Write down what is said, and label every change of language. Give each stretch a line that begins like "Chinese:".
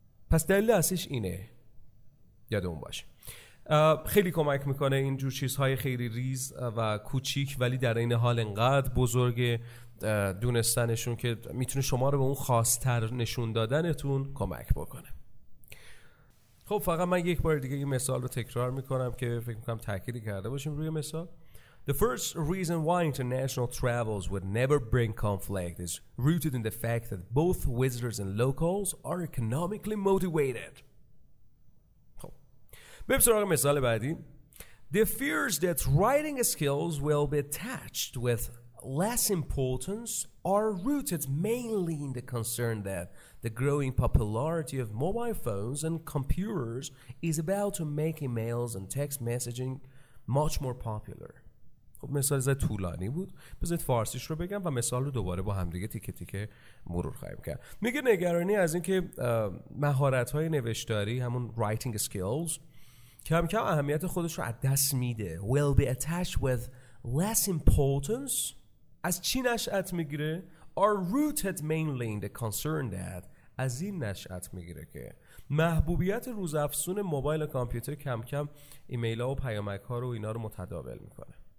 Persian: پس دلیل اصلیش اینه، یادمون باشه. خیلی کمک میکنه این جور چیزهای خیلی ریز و کوچیک، ولی در این حال انقدر بزرگ دونستنشون که میتونه شما رو به اون خاص‌تر نشون دادنتون کمک بکنه. خب فقط من یک بار دیگه این مثال رو تکرار میکنم که فکر میکنم تأکید کرده باشیم روی مثال.
English: The first reason why international travels would never bring conflict is rooted in the fact that both visitors and locals are economically motivated.
Persian: بریم سراغ مثال بعدی.
English: The fears that writing skills will be attached with less importance are rooted mainly in the concern that the growing popularity of mobile phones and computers is about to make emails and text messaging much more popular.
Persian: خب مثال زد طولانی بود، بذارید فارسیش رو بگم و مثال رو دوباره با هم دیگه تیکه تیکه مرور خواهیم کرد. میگه نگرانی از این که مهارت‌های نوشتاری، همون writing skills، کم کم اهمیت خودش رو از دست میده.
English: will be attached with less importance،
Persian: از چی نشأت میگیره؟
English: are rooted mainly in the concern that،
Persian: از این نشأت میگیره که محبوبیت روزافزون موبایل و کامپیوتر کم کم ایمیل ها و پیامک ها رو اینا رو متداول میکنه.